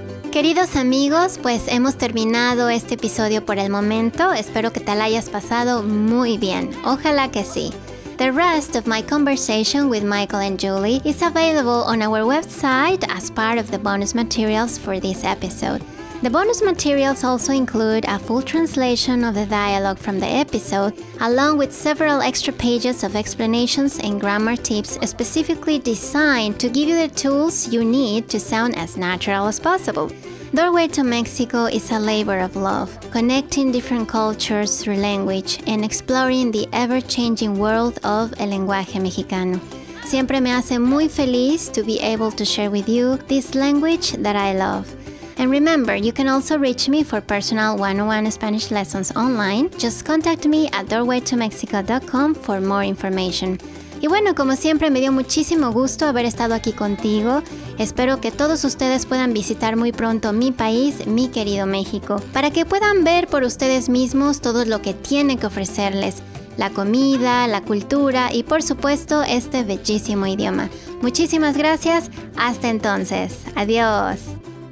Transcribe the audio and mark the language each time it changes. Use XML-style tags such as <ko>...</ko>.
<es>Queridos amigos, pues hemos terminado este episodio por el momento. Espero que te la hayas pasado muy bien. Ojalá que sí.</es> <en>The rest of my conversation with Michael and Julie is available on our website as part of the bonus materials for this episode. The bonus materials also include a full translation of the dialogue from the episode, along with several extra pages of explanations and grammar tips specifically designed to give you the tools you need to sound as natural as possible. Doorway to Mexico is a labor of love, connecting different cultures through language and exploring the ever-changing world of</en> <es>el lenguaje mexicano. Siempre me hace muy feliz</es> <en>to be able to share with you this language that I love. And remember, you can also reach me for personal 101 Spanish lessons online. Just contact me at doorwaytomexico.com for more information.</en> <es>Y bueno, como siempre, me dio muchísimo gusto haber estado aquí contigo. Espero que todos ustedes puedan visitar muy pronto mi país, mi querido México, para que puedan ver por ustedes mismos todo lo que tiene que ofrecerles. La comida, la cultura y, por supuesto, este bellísimo idioma. Muchísimas gracias. Hasta entonces. Adiós.</es>